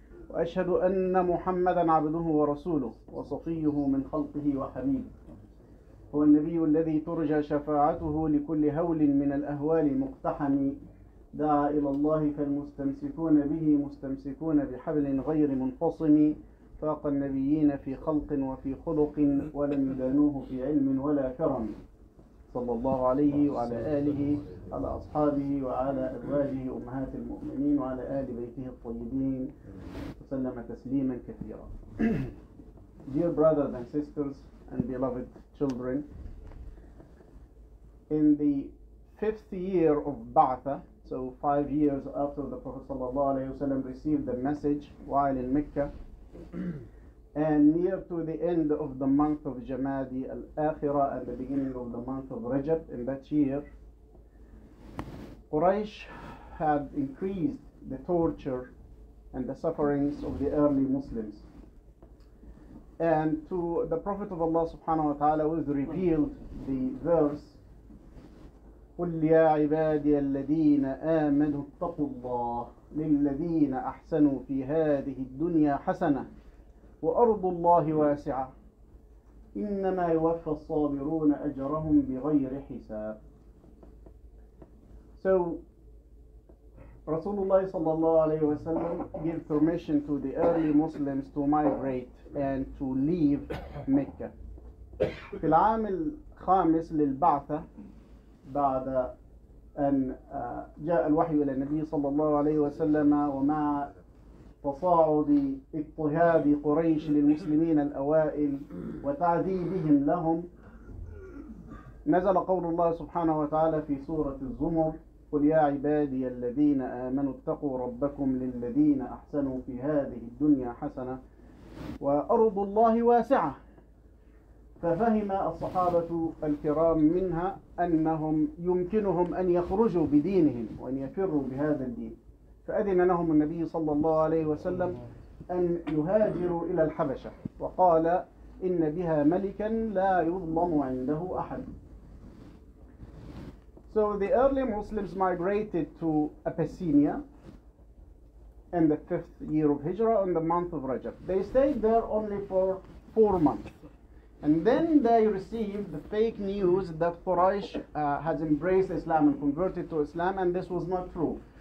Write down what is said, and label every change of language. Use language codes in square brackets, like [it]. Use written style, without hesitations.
[ar] وأشهد أن محمدا عبده ورسوله وصفيه من خلقه وحبيبه، هو النبي الذي ترجى شفاعته لكل هول من الأهوال مقتحم، دعا إلى الله فالمستمسكون به مستمسكون بحبل غير منفصم، فاق النبيين في خلق وفي خلق ولم يدانوه في علم ولا كرم، صلى الله عليه وعلى آله على أصحابه وعلى أزواجه أمهات المؤمنين وعلى آل بيته الطيبين وسلم تسليما كثيرا. [en] Dear brothers and sisters and beloved children, in the fifth year of Ba'atha, so 5 years after the Prophet ﷺ received the message while in Mecca, and near to the end of the month of Jamadi al-Akhira and the beginning of the month of Rajab in that year, Quraysh had increased the torture and the sufferings of the early Muslims. And to the Prophet of Allah subhanahu wa ta'ala was revealed the verse, [ar] قُلْ يَا عِبَادِيَ الَّذِينَ آمَنُوا اتَّقُوا اللَّهِ لِلَّذِينَ أَحْسَنُوا فِي هَذِهِ الدُّنْيَا حَسَنَةً وَأَرْضُ اللَّهِ وَاسِعَةً إِنَّمَا يُوَفَّى الصَّابِرُونَ أَجْرَهُمْ بِغَيْرِ حِسَابٍ. [en] So, Rasulullah sallallahu alayhi wa sallam gave permission to the early Muslims to migrate and to leave Mecca. [ar] في العام الخامس للبعثة بعد أن جاء الوحي إلى النبي صلى الله عليه وسلم، ومع تصاعد اضطهاد قريش للمسلمين الأوائل وتعذيبهم لهم، نزل قول الله سبحانه وتعالى في سورة الزمر، قل يا عبادي الذين آمنوا اتقوا ربكم للذين أحسنوا في هذه الدنيا حسنة وأرض الله واسعة. ففهم الصحابة الكرام منها أنهم يمكنهم أن يخرجوا بدينهم وأن يفروا بهذا الدين، فأذن لهم النبي صلى الله عليه وسلم أن يهاجروا إلى الحبشة، وقال إن بها ملكا لا يظلم عنده أحد. [en] So the early Muslims migrated to Abyssinia in the fifth year of Hijra in the month of Rajab. They stayed there only for 4 months. And then they received the fake news that Quraysh has embraced Islam and converted to Islam, and this was not true.